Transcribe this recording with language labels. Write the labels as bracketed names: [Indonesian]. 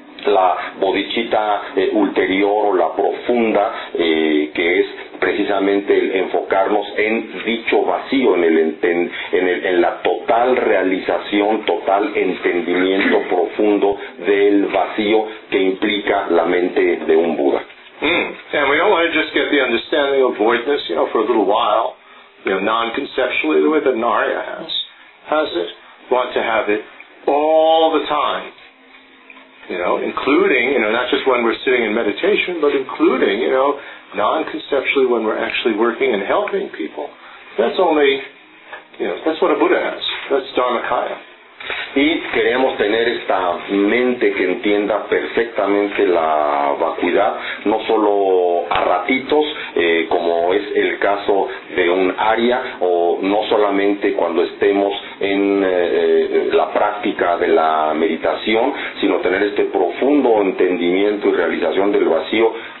[Spanish] la bodichita ulterior o la profunda, que es precisamente el enfocarnos en dicho vacío, en la total realización, total entendimiento profundo del vacío que implica la mente de un Buda. [English] And we don't want to just get the understanding of voidness, you know, for a little while, you know, non-conceptually, the way that Narya has it. We want to have it all the time. You know, including, you know, not just when we're sitting in meditation, but including, you know, non-conceptually when we're actually working and helping people. That's only, you know, that's what a Buddha has. That's Dharmakaya. [Spanish] Y queremos tener esta mente que entienda perfectamente la vacuidad, no solo a ratitos, como es el caso de un Arya, o no solamente cuando estemos en la práctica de la meditación, sino tener este profundo entendimiento y realización del vacío